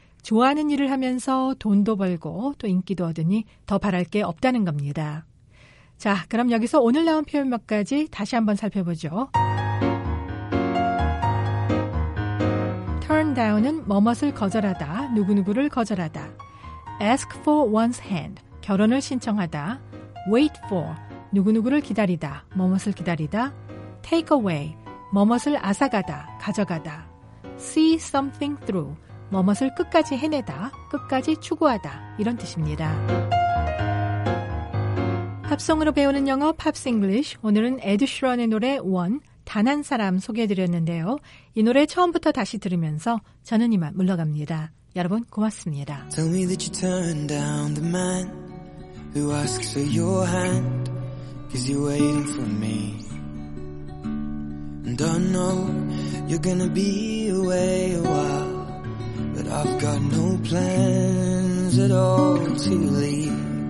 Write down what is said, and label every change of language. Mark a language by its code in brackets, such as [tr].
[ko] 좋아하는 일을 하면서 돈도 벌고 또 인기도 얻으니 더 바랄 게 없다는 겁니다. 자, 그럼 여기서 오늘 나온 표현 몇 가지 다시 한번 살펴보죠. [en] Turn down [ko] 은 뭐뭇을 거절하다, 누구누구를 거절하다. [en] Ask for one's hand, [ko] 결혼을 신청하다. [en] Wait for, [ko] 누구누구를 기다리다, 뭐뭇을 기다리다. [en] Take away, [ko] 뭐뭇을 앗아가다, 가져가다. [en] See something through, [ko] 뭐뭇을 끝까지 해내다, 끝까지 추구하다, 이런 뜻입니다. 팝송으로 배우는 영어 Pops English, 오늘은 에드 슈런의 노래 One, 단 한 사람 소개해드렸는데요. 이 노래 처음부터 다시 들으면서 저는 이만 물러갑니다. 여러분 고맙습니다. [en] Tell me that you turned down the man who asks for your hand. Cause you're waiting for me. And I know you're gonna be away a while. But I've got no plans at all to leave.